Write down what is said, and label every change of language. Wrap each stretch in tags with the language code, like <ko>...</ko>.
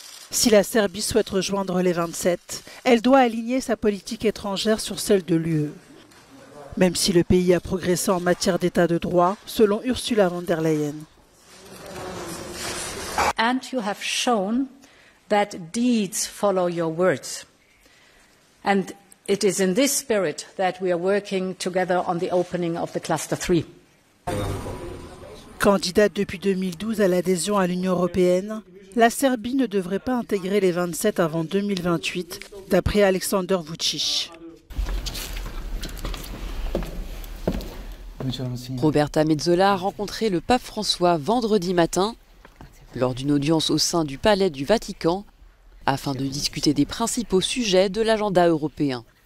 <fr>Si la Serbie souhaite rejoindre les 27, elle doit aligner sa politique étrangère sur celle de l'UE. Même si le pays a progressé en matière d'état de droit, selon Ursula von der Leyen.</fr> <en>And you have shown that deeds follow your words. And it is in this spirit that we are working together on the opening of the cluster 3.</en> <fr>Candidate depuis 2012 à l'adhésion à l'Union européenne, la Serbie ne devrait pas intégrer les 27 avant 2028, d'après Aleksandar Vučić. Roberta Metsola a rencontré le pape François vendredi matin lors d'une audience au sein du palais du Vatican afin de discuter des principaux sujets de l'agenda européen.</fr>